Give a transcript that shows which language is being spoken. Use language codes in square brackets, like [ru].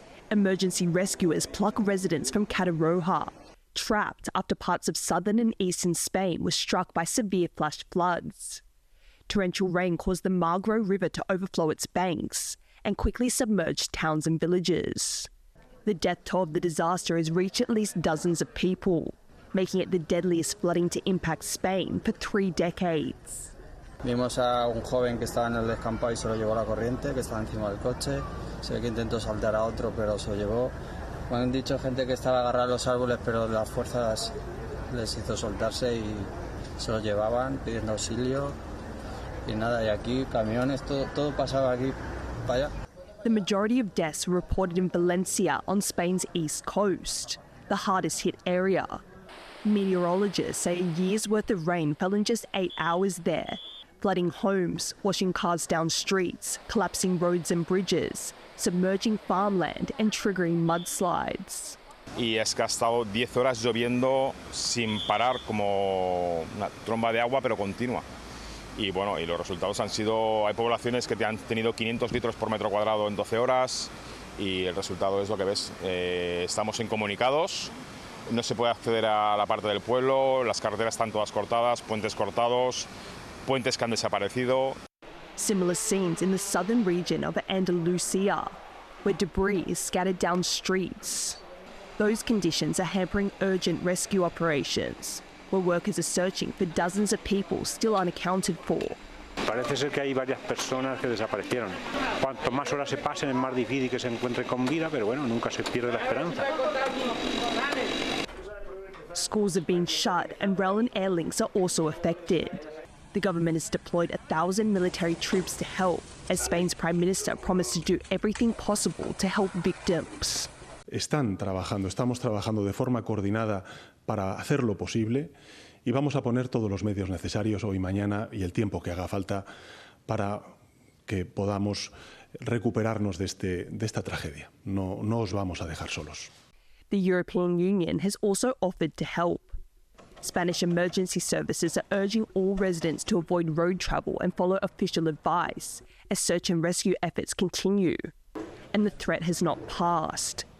[en] Emergency rescuers pluck residents from Catarroja, trapped after parts of southern and eastern Spain were struck by severe flash floods. Torrential rain caused the Magro River to overflow its banks and quickly submerged towns and villages. The death toll of the disaster has reached at least dozens of people, making it the deadliest flooding to impact Spain for three decades. [es] Vimos a un joven que estaba en el descampado y se lo llevó la corriente, que estaba encima del coche. Se ve que intentó saltar a otro, pero se lo llevó. Me han dicho gente que estaba agarrado a los árboles, pero las fuerzas les hizo soltarse y se lo llevaban pidiendo auxilio. Y nada, y aquí, camiones, todo pasaba aquí, para allá. [en] The majority of deaths were reported in Valencia on Spain's east coast, the hardest hit area. Meteorologists say a year's worth of rain fell in just 8 hours there, flooding homes, washing cars down streets, collapsing roads and bridges, submerging farmland and triggering mudslides. [es] Y es que ha estado 10 horas lloviendo sin parar, como una tromba de agua, pero continua. Y bueno, y los resultados han sido, hay poblaciones que te han tenido 500 litros por metro cuadrado en 12 horas y el resultado es lo que ves. Estamos incomunicados, no se puede acceder a la parte del pueblo, las carreteras están todas cortadas, puentes cortados, puentes que han desaparecido. [en] Similar scenes in the southern region of Andalusia, where debris is scattered down streets. Those conditions are hampering urgent rescue operations, where workers are searching for dozens of people still unaccounted for. [es] Parece ser que hay varias personas que desaparecieron. Cuanto más horas se pasen, es más difícil que se encuentren con vida, pero bueno, nunca se pierde la esperanza. [en] Schools have been shut and rail and air links are also affected. The government has deployed 1,000 military troops to help, as Spain's Prime Minister promised to do everything possible to help victims. [es] Están trabajando, estamos trabajando de forma coordinada para hacer lo posible y vamos a poner todos los medios necesarios hoy, mañana y el tiempo que haga falta para que podamos recuperarnos de esta tragedia. No os vamos a dejar solos. [en] The European Union has also offered to help. Spanish emergency services are urging all residents to avoid road travel and follow official advice as search and rescue efforts continue. And the threat has not passed.